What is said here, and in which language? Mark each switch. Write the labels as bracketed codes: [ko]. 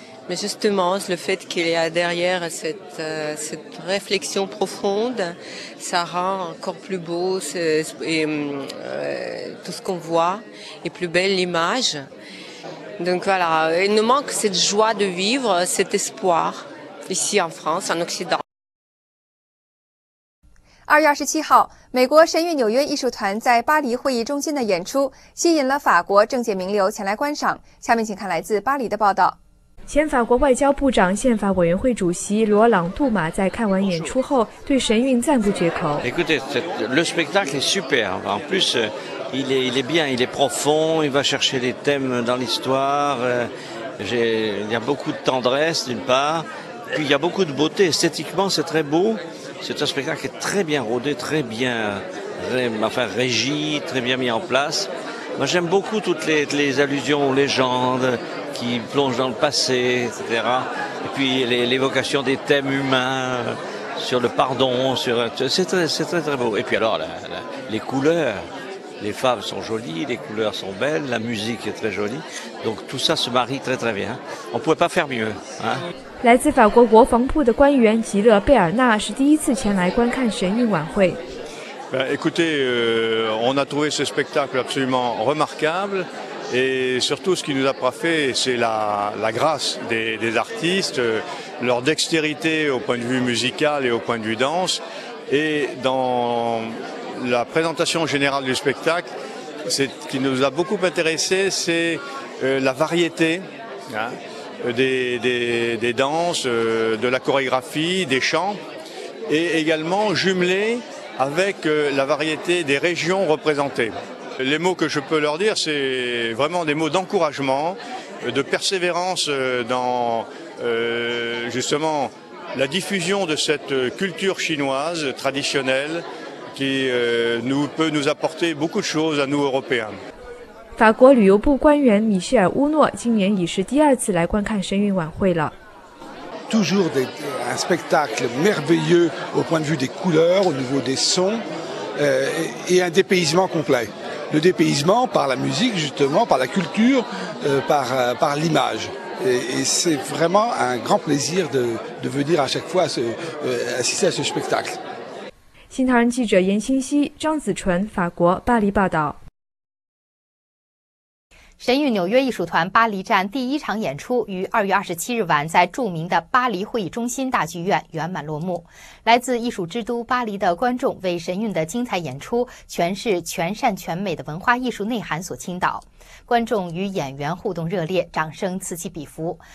[fr] Mais justement, le fait qu'il y a derrière cette réflexion profonde, ça rend encore plus beau tout ce qu'on voit et plus belle l'image. Donc voilà, il nous manque cette joie de vivre, cet espoir ici en France, en Occident. [zh] 2月27号，美国神韵纽约艺术团在巴黎会议中心的演出吸引了法国政界名流前来观赏。下面请看来自巴黎的报道。前法国外交部长、宪法委员会主席罗朗·杜马在看完演出后对神韵赞不绝口。 [fr] Écoutez, le spectacle est superbe. En plus, il est bien, il est profond, il va chercher les thèmes dans l'histoire. Il y a beaucoup de tendresse d'une part, puis il y a beaucoup de beauté. Esthétiquement, c'est très beau. C'est un spectacle qui est très bien rodé, très bien régi, très bien mis en place. Moi, j'aime beaucoup toutes les allusions aux légendes. Qui plonge dans le passé, etc. Et puis l'évocation des thèmes humains sur le pardon, c'est très très beau. Et puis alors les couleurs, les femmes sont jolies, les couleurs sont belles, la musique est très jolie. Donc tout ça se marie très très bien. On ne pouvait pas faire mieux. [zh] 来自法国国防部的官员吉勒·贝尔纳是第一次前来观看神韵晚会。 [fr] Ben, écoutez, on a trouvé ce spectacle absolument remarquable. Et surtout, ce qui nous a frappé, c'est la grâce des artistes, leur dextérité au point de vue musical et au point de vue danse. Et dans la présentation générale du spectacle, ce qui nous a beaucoup intéressé, c'est la variété des danses, de la chorégraphie, des chants, et également jumelée avec la variété des régions représentées. Les mots que je peux leur dire, c'est vraiment des mots d'encouragement, de persévérance dans justement la diffusion de cette culture chinoise traditionnelle qui peut nous apporter beaucoup de choses à nous Européens. [zh] 法国旅游部官员米歇尔·乌诺今年已是第二次来观看神韵晚会了。 [fr] Toujours un spectacle merveilleux au point de vue des couleurs, au niveau des sons et un dépaysement complet. Le dépaysement par la musique, justement, par la culture, par l'image. Et c'est vraiment un grand plaisir de venir à chaque fois assister à ce spectacle. [zh] 新唐人记者严欣希、张子纯，法国巴黎报道。神韵纽约艺术团巴黎站第一场演出于2月27日晚在著名的巴黎会议中心大剧院圆满落幕。来自艺术之都巴黎的观众为神韵的精彩演出诠释全善全美的文化艺术内涵所倾倒，观众与演员互动热烈，掌声此起彼伏。